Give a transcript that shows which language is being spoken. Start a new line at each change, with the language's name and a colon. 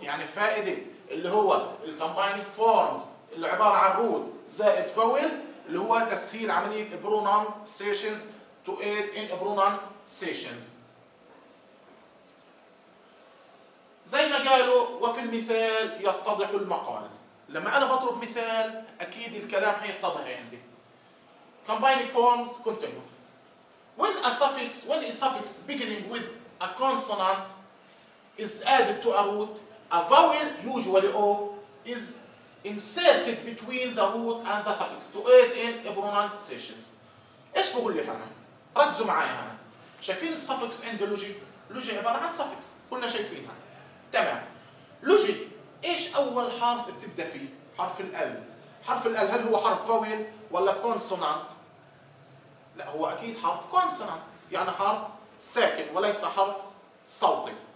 Arabic: يعني فائدة اللي هو الكومبايند فورمز اللي عبارة عن رود زائد فاول اللي هو تسهيل عملية pronunciations
English: to aid in pronunciations.
Arabic: زي ما قالوا وفي المثال يتضح المقال. لما أنا بضرب مثال أكيد الكلام هيتضح عندي.
English: Combining forms continue. When a suffix beginning with a consonant is added to a root, a vowel, usually O, is inserted between the root and the suffix to aid in pronunciations.
Arabic: ايش بقول لي هنا؟ ركزوا معايا هنا. شايفين suffix عند لوجي؟ لوجي عبارة عن suffix، كنا شايفينها. تمام. لوجي، ايش أول حرف بتبدأ فيه؟ حرف الال. حرف الال هل هو حرف vowel ولا consonant؟ لا، هو أكيد حرف consonant، يعني حرف ساكن وليس حرف صوتي.